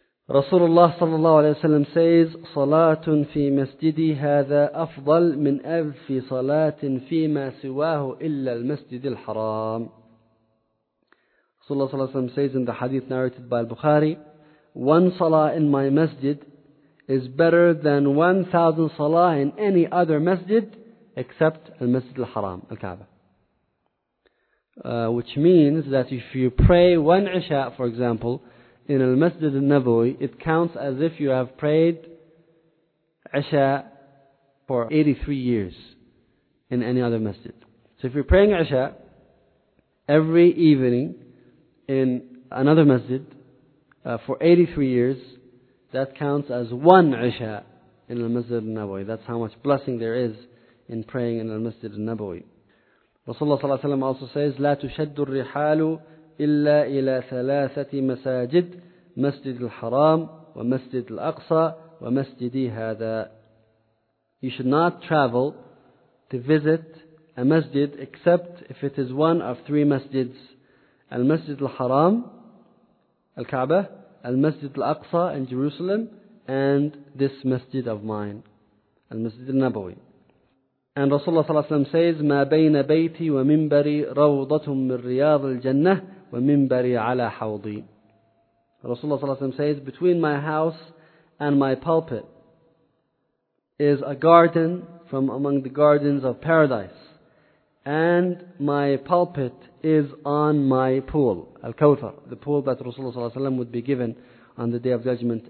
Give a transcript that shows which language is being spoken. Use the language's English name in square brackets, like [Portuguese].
[Arabic] Rasulullah sallallahu alayhi wa sallam says, صَلَاةٌ فِي مَسْجِدِي هَذَا أَفْضَلْ مِنْ أَلْفِ صَلَاةٍ فِي مَا سِوَاهُ إِلَّا الْمَسْجِدِ الْحَرَامِ. [English] Rasulullah sallallahu alayhi wa sallam says in the hadith narrated by Al-Bukhari, one salah in my masjid is better than 1,000 salah in any other masjid except Al-Masjid Al-Haram, Al-Kaaba. Which means that if you pray one Isha, for example, in Al-Masjid Al-Nabawi, it counts as if you have prayed Isha for 83 years in any other masjid. So if you're praying Isha every evening in another masjid for 83 years, that counts as one Isha in Al-Masjid Al-Nabawi. That's how much blessing there is in praying in Al-Masjid Al-Nabawi. [Arabic] Rasulullah sallallahu alayhi wa sallam also says, لا تشد الرحال إلا إلى ثلاثة مساجد مسجد الحرام ومسجد الأقصى ومسجدي هذا. [English] You should not travel to visit a masjid except if it is one of three masjids. Al-Masjid Al-Haram, Al-Kaaba, Al-Masjid Al-Aqsa in Jerusalem, and this masjid of mine, Al-Masjid Al-Nabawi. [Arabic] And Rasulullah صلى الله عليه وسلم says, مَا بَيْنَ بَيْتِي وَمِنْبَرِي رَوْضَةٌ مِنْ رِيَاضِ الْجَنَّةِ وَمِنْبَرِي عَلَى حَوْضِي. [English] Rasulullah صلى الله عليه وسلم says, between my house and my pulpit is a garden from among the gardens of paradise. And my pulpit is on my pool, Al-Kawthar, the pool that Rasulullah صلى الله عليه وسلم would be given on the Day of Judgment.